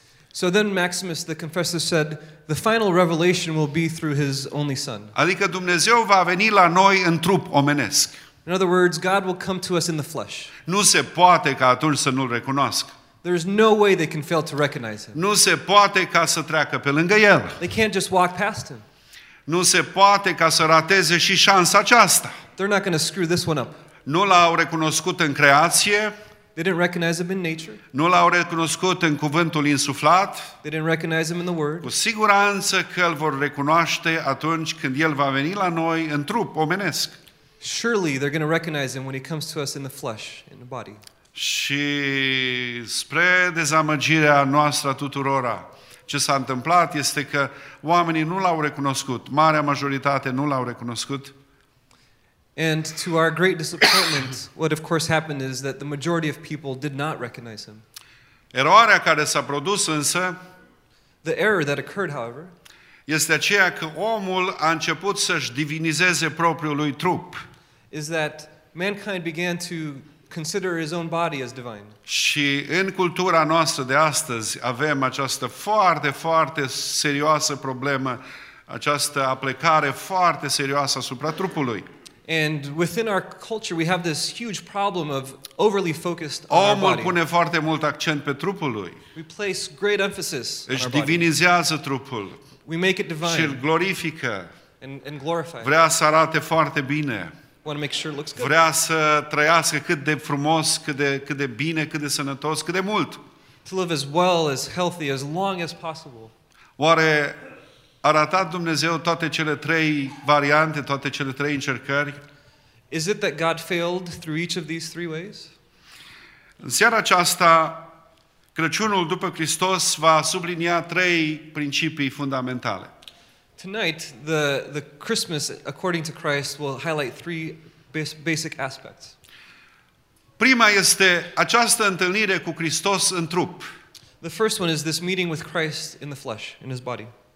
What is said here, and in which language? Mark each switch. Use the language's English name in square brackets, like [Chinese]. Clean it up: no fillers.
[English] So then Maximus the Confessor said, the final revelation will be through His only Son. [Romanian] Adică Dumnezeu va veni la noi în trup omenesc. [English] In other words, God will come to us in the flesh. [Romanian] Nu se poate ca atunci să nu-L recunoască. [English] There is no way they can fail to recognize him. [Romanian] Nu se poate ca să treacă pe lângă el. [English] They can't just walk past him. [Romanian] Nu se poate ca să rateze și șansa aceasta. [English] They're not going to screw this one up. [Romanian] Nu l-au recunoscut în creație. [English] They didn't recognize him in nature. [Romanian] Nu l-au recunoscut în cuvântul insuflat. [English] They didn't recognize him in the word. [Romanian] Cu siguranță că îl vor recunoaște atunci când el va veni la noi în trup omenesc. [English] Surely they're going to recognize him when he comes to us in the flesh, in the body. [Romanian] Și spre dezamăgirea noastră tuturora, ce s-a întâmplat este că oamenii nu l-au recunoscut, marea majoritate nu l-au recunoscut. [English] And to our great disappointment, what of course happened is that the majority of people did not recognize him. [Romanian] Eroarea care s-a produs însă, [English] the error that occurred, however, [Romanian] este aceea că omul a început să-și divinizeze propriul lui trup. [English] Is that mankind began to consider his own body as divine. [Romanian] Și în cultura noastră de astăzi avem această foarte, foarte serioasă problemă, această aplecare foarte serioasă asupra trupului. [English] And within our culture we have this huge problem of overly focused on our body. [Romanian] Omul pune foarte mult accent pe trupul lui. [English] We place great emphasis on our body. [Romanian] Își divinizează trupul. [English] We make it divine. [Romanian] Și îl glorifică. [English] And glorify. [Romanian] Vrea să arate foarte bine. [English] Want to make sure it looks good. [Romanian] Vrea să trăiască cât de frumos, cât de bine, cât de sănătos, cât de mult. [English] To live as well, as healthy, as long as possible. [Romanian] Oare a ratat Dumnezeu toate cele trei variante, toate cele trei încercări? [English] Is it that God failed through each of these three ways? [Romanian] În seara aceasta, Crăciunul după Hristos va sublinia trei principii fundamentale. [English] Tonight, the Christmas, according to Christ, will highlight three basic aspects. [Romanian] Prima este această întâlnire cu Hristos în trup. [English] The first one is this meeting with Christ in the flesh, in his body.